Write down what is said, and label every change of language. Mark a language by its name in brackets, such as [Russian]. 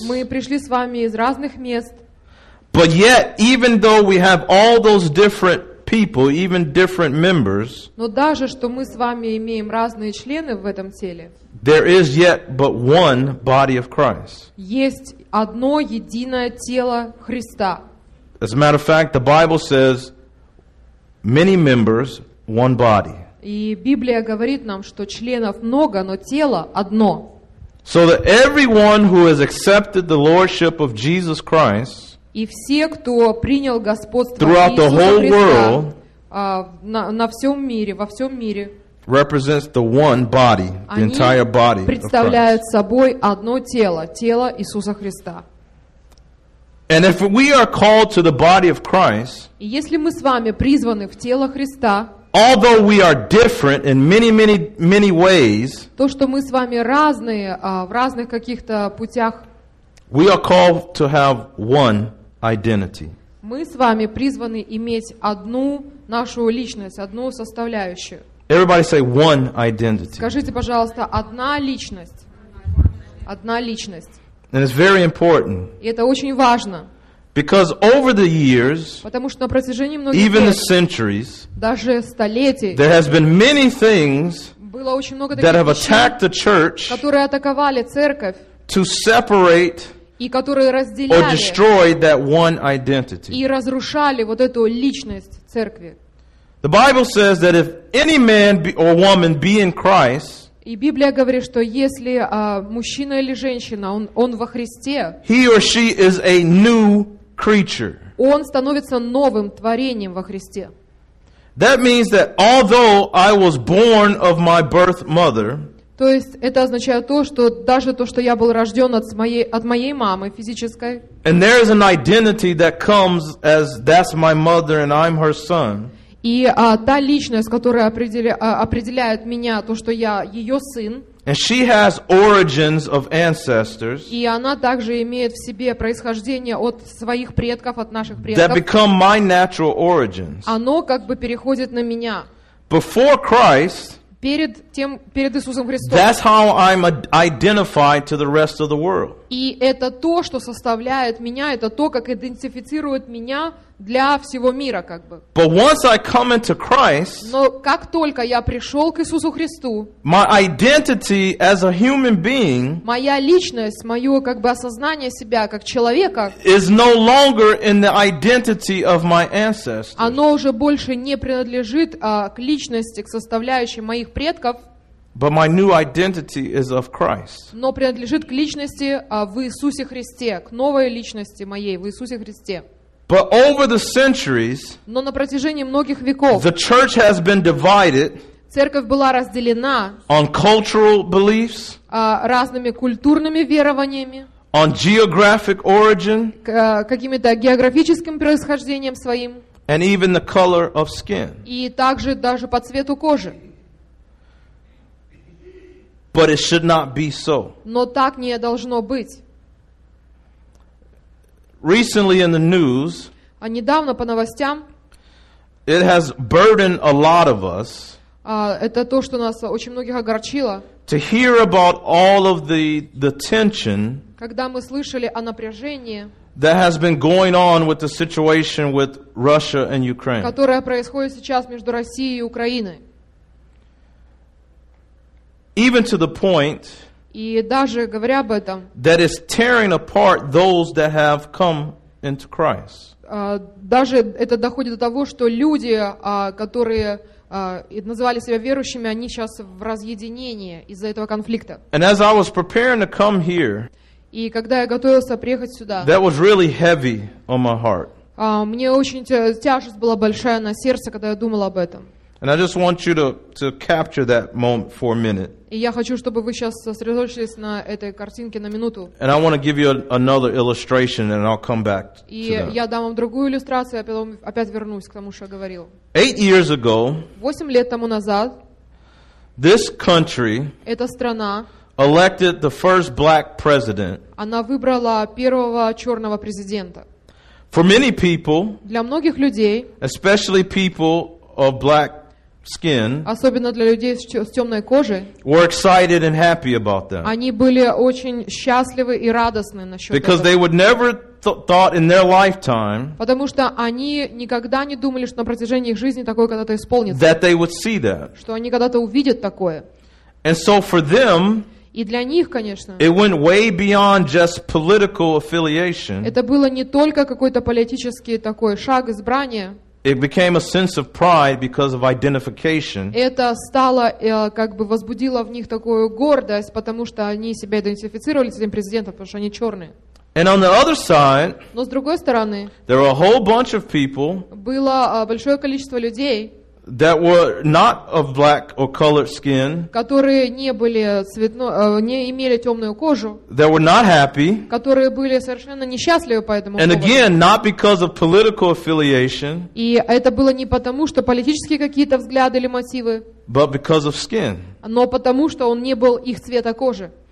[Russian] Мы пришли с вами из разных мест. [English] But yet, even though we have all those different people, even different members, [Russian] но даже что мы с вами имеем разные члены в этом теле, [English] there is yet but one body of Christ. [Russian] Есть одно единое тело Христа. [English] As a matter of fact, the Bible says, many members, one body. [Russian] И Библия говорит нам, что членов много, но тело одно. [English] So that everyone who has accepted the lordship of Jesus Christ, [Russian] и все, кто принял господство [English] throughout [Russian] Иисуса [English] the whole [Russian] Христа, [English] world, [Russian] на всем мире, во всем мире, [English] represents the one body, the entire body. [Russian] Они представляют собой одно тело, тело Иисуса Христа. [English] And if we are called to the body of Christ, [Russian] если мы с вами призваны в тело Христа, [English] although we are different in many, many, many ways, [Russian] то, что мы с вами разные, в разных каких-то путях, [English] we are called to have one identity. [Russian] Мы с вами призваны иметь одну нашу личность, одну составляющую. [English] Everybody say one identity. [Russian] Скажите, пожалуйста, одна личность. Одна личность. [English] And it's very important. [Russian] И это очень важно. [English] Because over the years, [Russian] потому что на протяжении многих [English] even [Russian] лет, [English] the centuries, [Russian] даже столетий, [English] there has been many things [Russian] было очень много [English] that have attacked the church, [Russian] которые атаковали церковь, [English] to separate [Russian] и которые разделяли, [English] or destroy that one identity. [Russian] И разрушали вот эту личность церкви. [English] The Bible says that if any man be, or woman be in Christ, [Russian] и Библия говорит, что если мужчина или женщина, он во Христе, [English] he or she is a new creature. [Russian] Он становится новым творением во Христе. [English] That means that although I was born of my birth mother, [Russian] то есть это означает то, что даже то, что я был рожден от моей мамы физической, [English] and there is an identity that comes as that's my mother and I'm her son. [Russian] И та личность, которая определяет меня, то, что я ее сын. [English] And she has origins of ancestors. [Russian] И она также имеет в себе происхождение от своих предков, от наших предков. [English] That become my natural origins. [Russian] Оно как бы переходит на меня. [English] Before Christ, [Russian] перед Иисусом Христом. [English] That's how I'm identified to the rest of the world. [Russian] И это то, что составляет меня, это то, как идентифицирует меня для всего мира, как бы. [English] But once I come into Christ, [Russian] но как только я пришел к Иисусу Христу, [English] my identity as a human being, [Russian] моя личность, мое как бы осознание себя как человека, [English] is no longer in the identity of my ancestors. [Russian] Оно уже больше не принадлежит к личности, к составляющей моих предков. [English] But my new identity is of Christ. [Russian] Но принадлежит к личности в Иисусе Христе, к новой личности моей в Иисусе Христе. [English] But over the centuries, [Russian] но на протяжении многих веков, [English] the church has been divided, [Russian] церковь была разделена, [English] on cultural beliefs, [Russian] разными культурными верованиями, [English] on geographic origin, [Russian] каким-то географическим происхождением своим, [English] and even the color of skin, [Russian] и также даже по цвету кожи. [English] But it should not be so. [Russian] Но так не должно быть. [English] Recently in the news, [Russian] недавно по новостям, [English] It has burdened a lot of us. [Russian] Это то, что нас очень многих огорчило. [English] To hear about all of the tension. [Russian] Когда мы слышали о напряжении. [English] That has been going on with the situation with Russia and Ukraine. [Russian] Которая происходит сейчас между Россией и Украиной. [English] Even to the point. [Russian] И даже говоря об этом. [English] That is tearing apart those that have come into Christ. [Russian] Даже это доходит до того, что люди, которые называли себя верующими, они сейчас в разъединении из-за этого конфликта. [English] And as I was preparing to come here. [Russian] И когда я готовился приехать сюда. [English] That was really heavy on my heart. [Russian] Мне очень тяжесть была большая на сердце, когда я думал об этом. [English] And I just want you to capture that moment for a minute. [Russian] И я хочу, чтобы вы сейчас сосредоточились на этой картинке на минуту. [English] And I want to give you another illustration, and I'll come back to that. [Russian] И я дам вам другую иллюстрацию, а потом опять вернусь к тому, что я говорил. [English] 8 years ago. [Russian] 8 лет тому назад. [English] This country. [Russian] Эта страна. [English] Elected the first black president. [Russian] Она выбрала первого черного президента. [English] For many people. [Russian] Для многих людей. [English] Especially people of black. Skin, [Russian] особенно для людей с темной кожей, [English] were excited and happy about them. [Russian] Они были очень счастливы и радостны насчет этого. [English] Because they would never thought in their lifetime, [Russian] потому что они никогда не думали, что на протяжении их жизни такое когда-то исполнится. [English] That they would see that. [Russian] Что они когда-то увидят такое. [English] And so for them, [Russian] и для них, конечно, [English] it went way beyond just political affiliation. [Russian] Это было не только какой-то политический такой шаг избрания. [English] It became a sense of pride because of identification. [Russian] Это стало как бы возбудило в них такую гордость, потому что они себя идентифицировали с этим президентом, потому что они черные. [English] And on the other side, [Russian] но с другой стороны, [English] there were a whole bunch of people, [Russian] было большое количество людей, [English] that were not of black or colored skin, [Russian] которые не были цветно, не имели темную кожу, [English] that were not happy, [Russian] которые были совершенно несчастливы по этому [English] and [Russian] поводу. [English] Again, not because of political affiliation, [Russian] и это было не потому, что политические какие-то взгляды или мотивы, [English] but because of skin, [Russian] но потому, что он не был их цвета кожи.